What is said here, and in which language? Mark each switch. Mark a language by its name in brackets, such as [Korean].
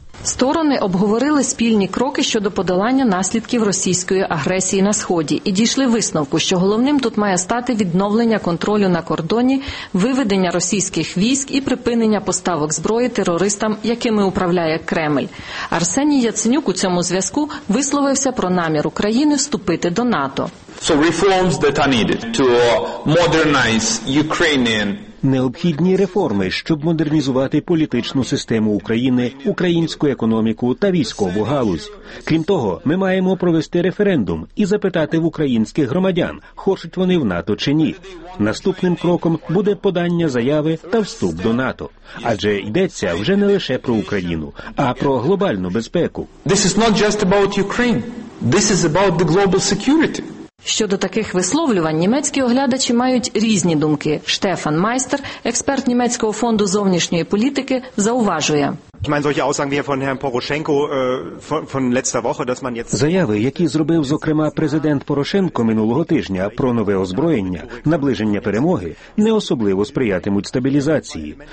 [Ukrainian] Сторони обговорили спільні кроки щодо подолання наслідків російської агресії на Сході і дійшли висновку, що головним тут має стати відновлення контролю на кордоні, виведення російських військ і припинення поставок зброї терористам, якими управляє Кремль. Арсеній Яценюк у цьому зв'язку висловився про намір України вступити до НАТО. [English] So reforms that are needed to modernize Ukrainian. [Ukrainian] Необхідні реформи, щоб модернізувати політичну систему України, українську економіку та військову галузь. Крім того, ми маємо провести референдум і запитати в українських громадян, хочуть вони в НАТО чи ні. Наступним кроком буде подання заяви та вступ до НАТО. Адже йдеться вже не лише про Україну, а про глобальну безпеку. [English] This is not just about Ukraine. This is about the global security. [Ukrainian] Щодо таких висловлювань німецькі оглядачі мають різні думки. Штефан Майстер, експерт німецького фонду зовнішньої політики, зауважує. Заяви, які зробив, зокрема, президент Порошенко минулого тижня про нове озброєння, наближення перемоги, не особливо сприятимуть стабілізації.